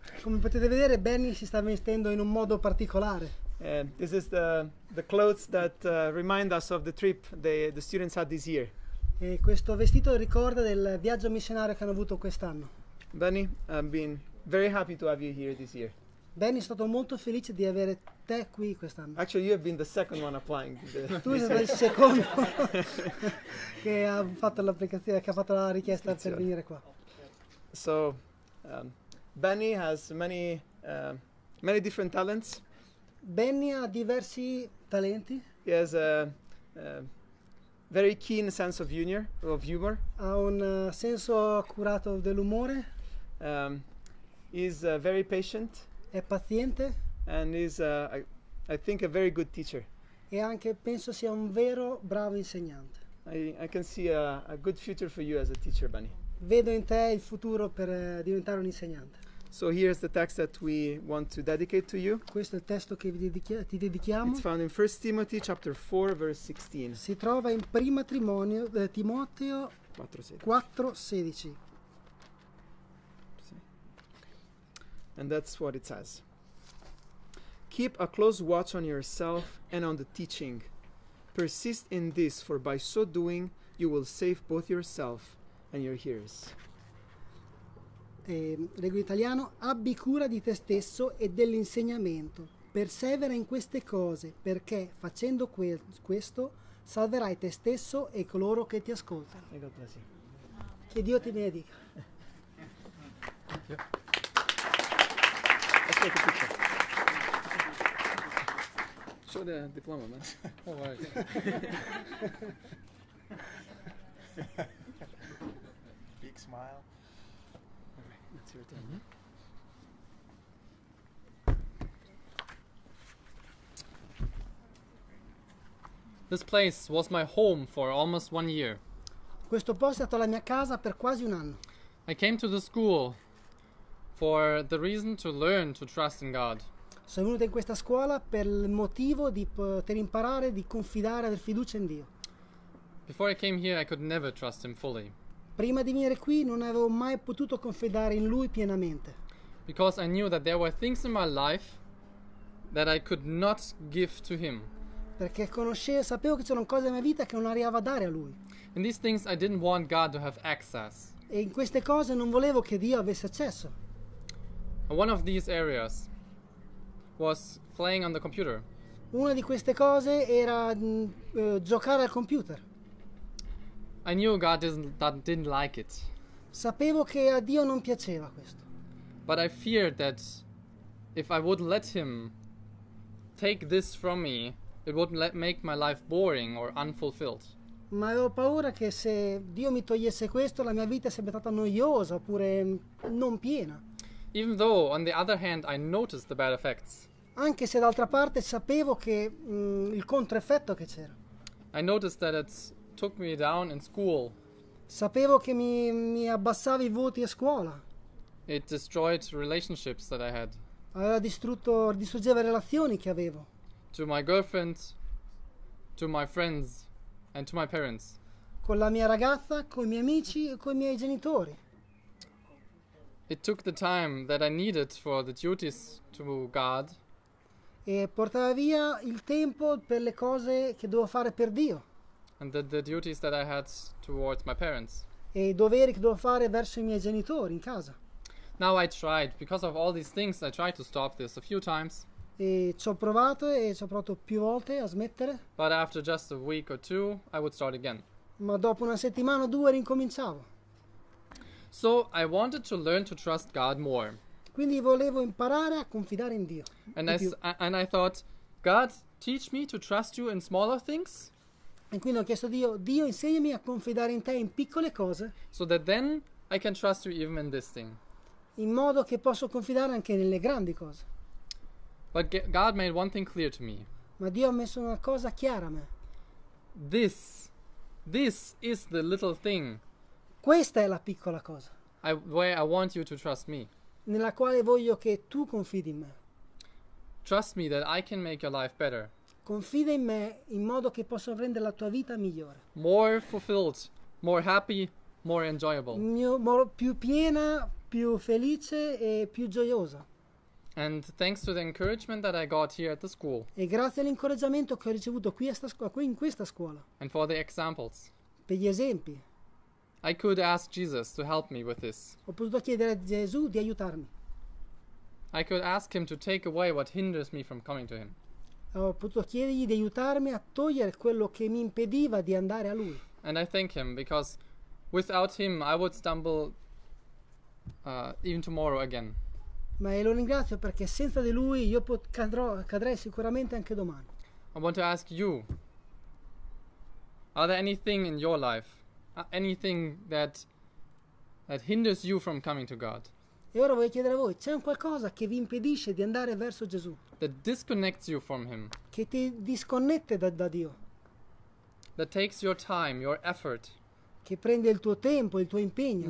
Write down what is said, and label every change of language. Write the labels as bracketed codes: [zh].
[it] Come potete vedere, Benny si sta vestendo in un modo particolare. [en] This is the clothes that remind us of the trip the students had this year. [it] E questo vestito ricorda del viaggio missionario che hanno avuto quest'anno. [en] Benny, I've been very happy to have you here this year. [it] Benny, è stato molto felice di avere te qui quest'anno. [en] Actually, you have been the second one applying. [it] Tu sei il secondo che ha fatto l'applicazione, che ha fatto la richiesta per venire qua. [en] So, Benny has many many different talents. [it] Benny ha diversi talenti. [en] He has a very keen sense of humor. [it] Ha un senso accurato dell'umore. [en] Is very patient. [it] È paziente. [en] And is I think a very good teacher. [it] E anche penso sia un vero bravo insegnante. [en] I can see a good future for you as a teacher, Benny. [it] Vedo in te il futuro per diventare un insegnante. [en] So here's the text that we want to dedicate to you. [it] Questo è il testo che ti dedichiamo. [en] It's found in 1 Timothy chapter 4 verse 16. [it] Si trova in Prima Timoteo 4:16. [en] And that's what it says. Keep a close watch on yourself and on the teaching. Persist in this, for by so doing you will save both yourself and your hearers. [it] Leggo in italiano: abbi cura di te stesso e dell'insegnamento, persevera in queste cose, perché facendo questo salverai te stesso e coloro che ti ascoltano. Che Dio ti benedica. [en] Show the diploma, man. Oh, right. Big smile. Okay, it's your turn. Mm-hmm. This place was my home for almost 1 year. [it] Questo posto è stato la mia casa per quasi un anno. [en] I came to the school for the reason to learn to trust in God. [it] Sono venuto in questa scuola per il motivo di poter imparare di confidare, aver fiducia in Dio. [en] Before I came here, I could never trust him fully. [it] Prima di venire qui non avevo mai potuto confidare in lui pienamente. [en] Because I knew that there were things in my life that I could not give to him. [it] Perché conoscevo, sapevo che c'erano cose nella mia vita che non arrivavo a dare a lui. [en] And these things I didn't want God to have access. [it] E in queste cose non volevo che Dio avesse accesso. [en] One of these areas was playing on the computer. [it] Una di queste cose era giocare al computer. [en] I knew God didn't like it. [it] Sapevo che a Dio non piaceva questo. [en] But I feared that if I would let him take this from me, it would make my life boring or unfulfilled. [it] Ma avevo paura che se Dio mi togliesse questo, la mia vita sarebbe stata noiosa oppure non piena. [en] Even though, on the other hand, I noticed the bad effects. [it] Anche se d'altra parte sapevo che il controeffetto che c'era. [en] I noticed that it took me down in school. [it] Sapevo che mi abbassava i voti a scuola. [en] It destroyed relationships that I had. [it] Aveva distruggeva relazioni che avevo. [en] To my girlfriend, to my friends, and to my parents. [it] Con la mia ragazza, con i miei amici e con i miei genitori. [en] It took the time that I needed for the duties to God. [it] E portava via il tempo per le cose che dovevo fare per Dio. [en] And the duties that I had towards my parents. [it] E i doveri che dovevo fare verso i miei genitori in casa. [en] Now I tried, because of all these things, I tried to stop this a few times. [it] E ci ho provato più volte a smettere. [en] But after just a week or two, I would start again. [it] Ma dopo una settimana o due rincominciavo. [en] So I wanted to learn to trust God more. [it] Quindi volevo imparare a confidare in Dio. [en] And I thought, God, teach me to trust you in smaller things. [it] E quindi ho chiesto a Dio, Dio insegnami a confidare in te in piccole cose. [en] So that then I can trust you even in this thing. [it] In modo che posso confidare anche nelle grandi cose. [en] But God made one thing clear to me. [it] Ma Dio ha messo una cosa chiara a me. [en] This This is the little thing. [it] Questa è la piccola cosa. [en] Where I want you to trust me. [it] Nella quale voglio che tu confidi in me. [en] Trust me that I can make your life better. [it] Confida in me in modo che posso rendere la tua vita migliore. [en] More fulfilled, more happy, more enjoyable. [it] Più piena, più felice e più gioiosa. [en] And thanks to the encouragement that I got here at the school. [it] E grazie all'incoraggiamento che ho ricevuto qui a sta scuola, qui in questa scuola. [en] And for the examples. [it] Per gli esempi. [en] I could ask Jesus to help me with this. [it] Ho potuto chiedere a Gesù di aiutarmi. [en] I could ask him to take away what hinders me from coming to him. [it] Ho potuto chiedergli di aiutarmi a togliere quello che mi impediva di andare a lui. [en] And I thank him because without him I would stumble even tomorrow again. [it] Ma lo ringrazio perché senza di lui io cadrei sicuramente anche domani. [en] I want to ask you, are there anything in your life, anything that hinders you from coming to God? [it] E ora voglio chiedere a voi, c'è un qualcosa che vi impedisce di andare verso Gesù? [en] That disconnects you from him. [it] Che ti disconnette da Dio. [en] That takes your time, your effort. [it] Che prende il tuo tempo, il tuo impegno.